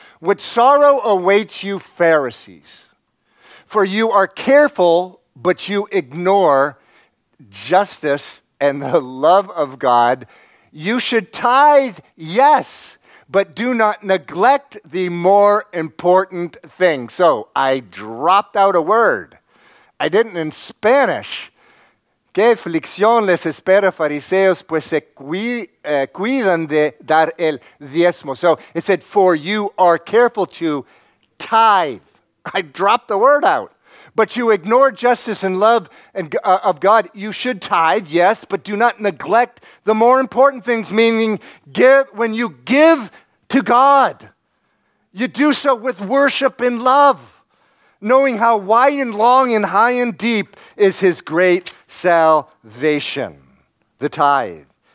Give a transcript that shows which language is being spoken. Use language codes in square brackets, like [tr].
[en] What sorrow awaits you, Pharisees? For you are careful, but you ignore justice and the love of God. You should tithe, yes, but do not neglect the more important thing. So I dropped out a word. I didn't in Spanish. [es] Qué aflicción les espera fariseos, pues se cuidan de dar el diezmo. [en] So it said, for you are careful to tithe. I dropped the word out. But you ignore justice and love and of God. You should tithe, yes, but do not neglect the more important things, meaning give when you give to God, you do so with worship and love, knowing how wide and long and high and deep is his great salvation, the tithe.